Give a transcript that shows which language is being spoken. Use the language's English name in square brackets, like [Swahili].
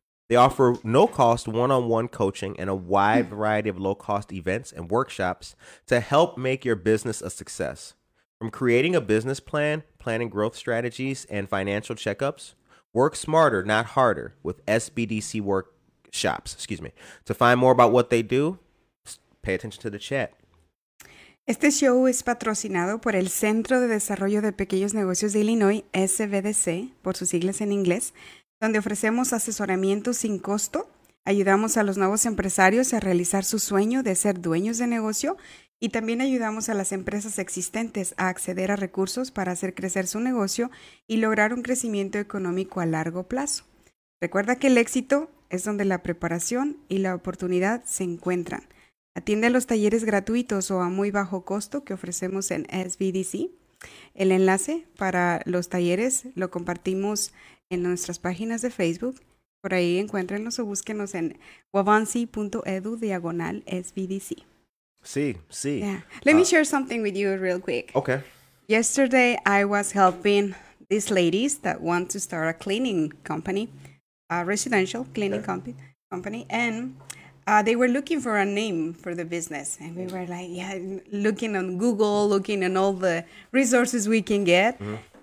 [English] They offer no-cost one-on-one coaching and a wide variety of low-cost events and workshops to help make your business a success. From creating a business plan, planning growth strategies, and financial checkups, work smarter, not harder, with SBDC workshops. Excuse me. To find more about what they do, pay attention to the chat. [Spanish] Este show es patrocinado por el Centro de Desarrollo de Pequeños Negocios de Illinois, SBDC, por sus siglas en inglés, donde ofrecemos asesoramiento sin costo, ayudamos a los nuevos empresarios a realizar su sueño de ser dueños de negocio y también ayudamos a las empresas existentes a acceder a recursos para hacer crecer su negocio y lograr un crecimiento económico a largo plazo. Recuerda que el éxito es donde la preparación y la oportunidad se encuentran. Atiende a los talleres gratuitos o a muy bajo costo que ofrecemos en SBDC. El enlace para los talleres lo compartimos en nuestras páginas de Facebook. Por ahí encuéntrenos o búsquenos en waubonsie.edu/SBDC. Sí. [English] Yeah. Let me share something with you real quick. Okay. Yesterday, I was helping these ladies that want to start a cleaning company, a residential cleaning company, and they were looking for a name for the business. And we were like, looking on Google, looking on all the resources we can get. Mm-hmm.